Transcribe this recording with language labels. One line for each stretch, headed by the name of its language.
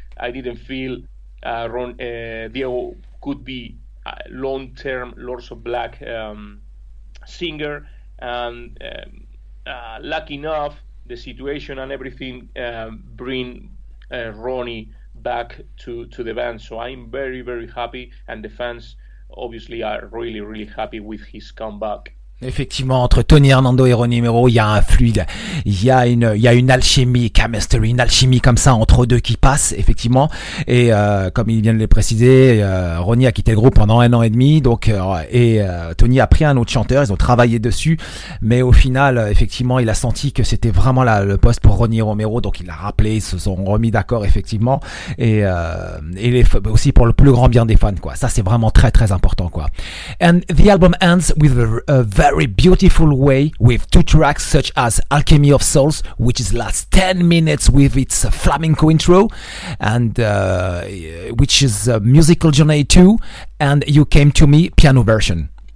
English: I didn't feel Theo could be a long-term Lords of Black singer, and lucky enough, the situation and everything bring Ronnie back to the band. So I'm very, very happy, and the fans obviously are really, really happy with his comeback.
French: Effectivement, entre Tony Hernando et Ronnie Mero, il y a un fluide, il y a une alchimie, chemistry, une alchimie comme ça entre eux deux qui passe, effectivement. Et comme il vient de le préciser, Ronnie a quitté le groupe pendant un an et demi, donc Tony a pris un autre chanteur, ils ont travaillé dessus, mais au final, effectivement, il a senti que c'était vraiment le poste pour Ronnie Romero, donc il l'a rappelé, ils se sont remis d'accord, effectivement, et aussi pour le plus grand bien des fans, quoi. Ça, c'est vraiment très, très important, quoi.
English: And the album ends with a very beautiful way with two tracks such as Alchemy of Souls, which is last 10 minutes with its flamenco intro, and which is a musical journey too, and You Came to Me piano version.